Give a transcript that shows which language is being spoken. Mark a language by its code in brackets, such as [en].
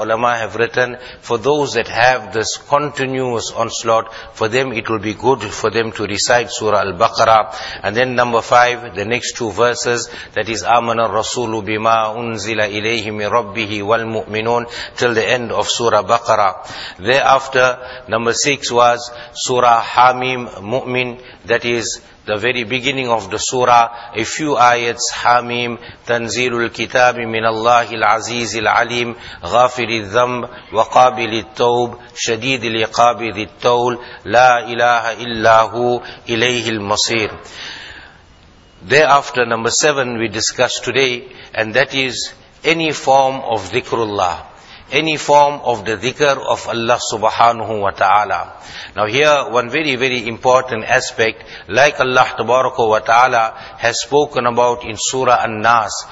[en] Ulama have written, for those that have this continuous onslaught, for them it will be good for them to recite surah al-Baqarah. And then number five, the next two verses, that is [ar] آمن الرسول بما أنزل إليه من ربه والمؤمنون, [en] till the end of Surah Baqarah. Thereafter, number six was Surah Hamim Mu'min, that is the very beginning of the surah, a few ayats, Hamim, [ar] تَنْزِيلُ الْكِتَابِ مِنَ اللَّهِ الْعَزِيزِ الْعَلِيمِ غَافِرِ الذَّنْبِ وَقَابِلِ التَّوْبِ شَدِيدِ الْعِقَابِ ذِي التَّوْلِ لَا إِلَهَ إِلَّا هُوَ إِلَيْهِ الْمَصِيرُ. [en] Thereafter, number seven we discussed today, and that is any form of dhikrullah, any form of the dhikr of Allah subhanahu wa ta'ala. Now here, one very, very important aspect, like Allah tabaraka wa ta'ala has spoken about in Surah An-Nas.